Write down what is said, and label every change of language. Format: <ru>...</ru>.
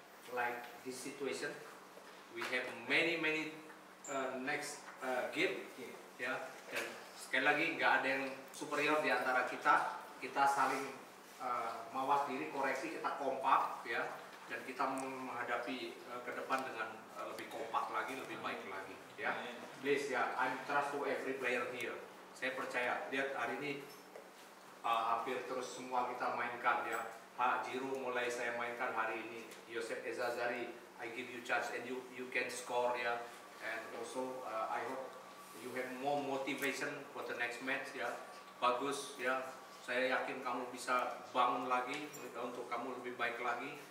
<en>Like this situation, we have many next game. Yeah. Yeah.</en> <id>Dan sekali lagi, nggak ada yang superior di antara kita. Kita saling mawas diri, koreksi. Kita kompak. Yeah. Dan kita menghadapi ke depan dengan lebih kompak lagi, lebih baik lagi, ya.</id> <en>Please, ya, yeah, I trust to every player here.</en> <id>Saya percaya. Lihat hari ini hampir terus semua kita mainkan, ya. Hajiru mulai saya mainkan hari ini.</id> <en>Yosef Ezazari, I give you charge and you can score, ya. Yeah. And also I hope you have more motivation for the next match, ya. Yeah.</en> <id>Bagus, ya. Yeah. Saya yakin kamu bisa bangun lagi untuk kamu lebih baik lagi.</id>